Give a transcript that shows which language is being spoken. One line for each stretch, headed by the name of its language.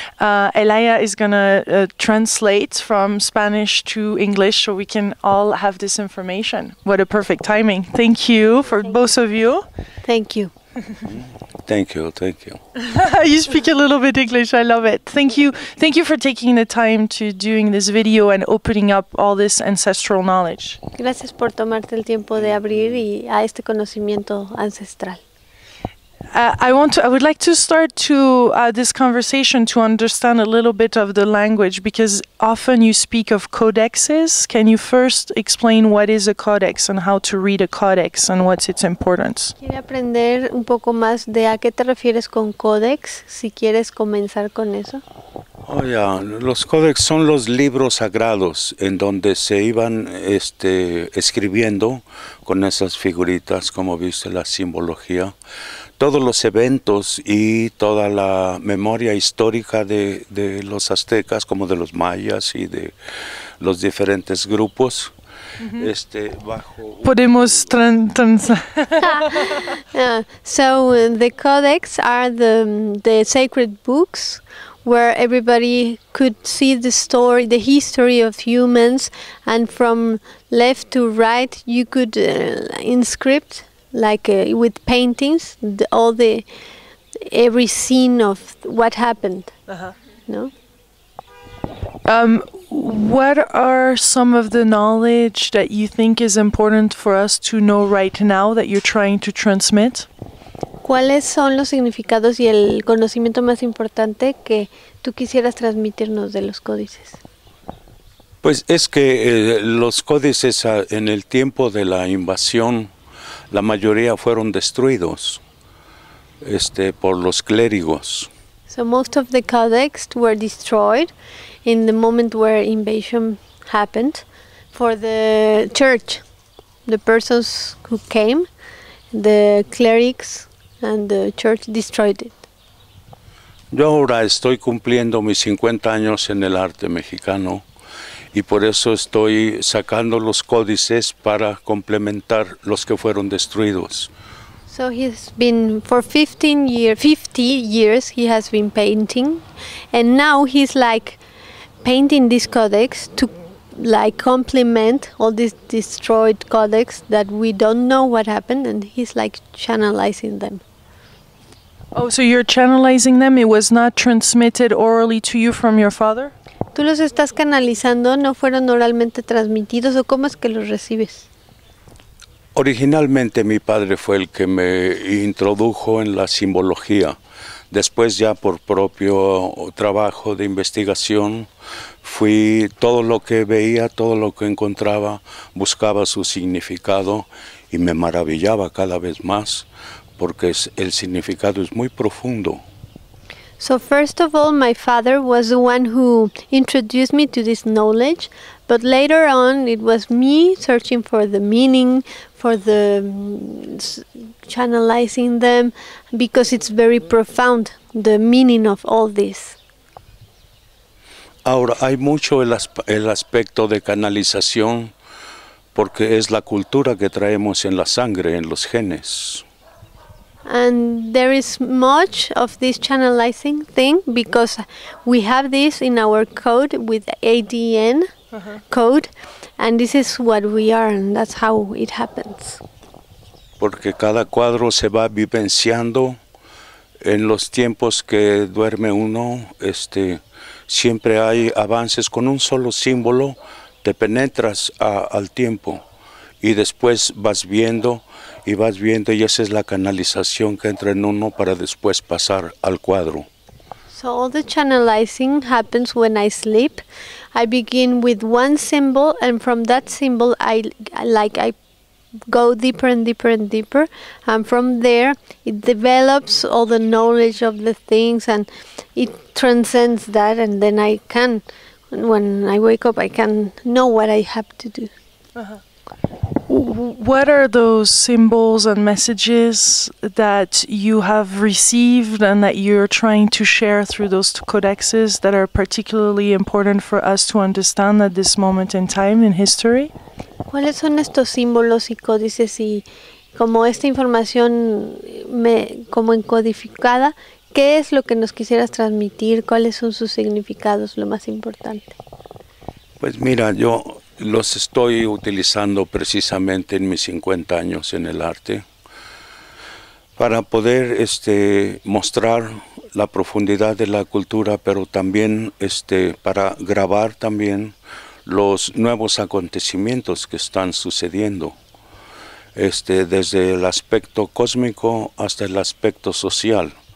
English: Elaya is going to translate from Spanish to English so we can all have this information. What a perfect timing. Thank you for both of you. Thank you. Thank you. You speak a little bit English. I love it. Thank you. Thank you for taking the time to doing this video and opening up all this ancestral knowledge.
Spanish: Gracias por tomarte el tiempo de abrir y a este conocimiento ancestral.
English: I would like to start this conversation to understand a little bit of the language, because often you speak of codexes. Can you first explain what is a codex and how to read a codex and what's its importance?
Spanish: Quiero aprender un poco más de a qué te refieres con codex, si quieres comenzar con eso.
English: Oh, yeah.
Spanish: Los codex son los libros sagrados en donde se iban escribiendo con esas figuritas, como viste, la simbología. Todos los eventos y toda la memoria histórica de los aztecas, como de los mayas y de los diferentes grupos, mm-hmm. Bajo... Podemos trans...
English: So the codex are the sacred books where everybody could see the story, the history of humans, and from left to right you could inscript, like with paintings, every scene of what happened. Uh-huh. No. What are some of the knowledge that you think is important for us to know right now that you're trying to transmit?
Spanish: ¿Cuáles son los significados y el conocimiento más importante que tú quisieras transmitirnos de los códices? Pues es que los códices en el tiempo de la invasión, la mayoría fueron destruidos por los clérigos.
English: So most of the codex were destroyed in the moment where invasion happened for the church. The persons who came, the clerics and the church destroyed it.
Spanish: Yo ahora estoy cumpliendo mis 50 años en el arte mexicano. Y por eso estoy sacando los códices para complementar los que fueron destruidos.
English: So he's been for 50 years he has been painting, and now he's like painting this codex to like complement all this destroyed codex that we don't know what happened, and he's like channelizing them. Oh, so you're channelizing them? It was not transmitted orally to you from your father?
Spanish: ¿Tú los estás canalizando? ¿No fueron oralmente transmitidos? ¿O cómo es que los recibes? Originalmente mi padre fue el que me introdujo en la simbología. Después ya por propio trabajo de investigación, fui todo lo que veía, todo lo que encontraba, buscaba su significado y me maravillaba cada vez más porque el significado es muy profundo.
English: So first of all, my father was the one who introduced me to this knowledge, but later on it was me searching for the meaning, for the channelizing them, because it's very profound, the meaning of all this.
Spanish: Ahora hay mucho el aspecto de canalización, porque es la cultura que traemos en la sangre, en los genes.
English: And there is much of this channelizing thing because we have this in our code with ADN code, and this is what we are, and that's how it happens.
Spanish: Porque cada cuadro se va vivenciando en los tiempos que duerme uno, siempre hay avances con un solo símbolo, te penetras al tiempo y después vas viendo. Y vas viendo, y esa es la canalización que entra en uno para después pasar al cuadro.
English: So all the channelizing happens when I sleep. I begin with one symbol, and from that symbol I go deeper and deeper and deeper, and from there it develops all the knowledge of the things, and it transcends that, and then I can And when I wake up, I can know what I have to do. What are those symbols and messages that you have received and that you're trying to share through those codexes that are particularly important for us to understand at this moment in time in history?
Spanish: ¿Cuáles son estos símbolos y códices y como esta información me como encodificada, qué es lo que nos quisieras transmitir, cuáles son sus significados, lo más importante? Pues mira, yo los estoy utilizando precisamente en mis 50 años en el arte para poder mostrar la profundidad de la cultura, pero también para grabar también los nuevos acontecimientos que están sucediendo desde el aspecto cósmico hasta el aspecto social.